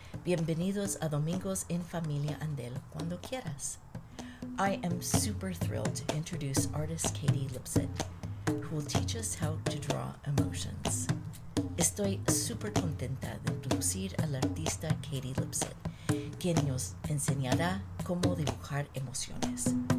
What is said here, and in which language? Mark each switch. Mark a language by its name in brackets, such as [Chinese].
[Spanish] Bienvenidos a Domingos en Familia Andell, cuando quieras. [English] I am super thrilled to introduce artist Katie Lipsitt, who will teach us how to draw emotions. [Spanish] Estoy super contenta de introducir al artista Katie Lipsitt, quien nos enseñará cómo dibujar emociones.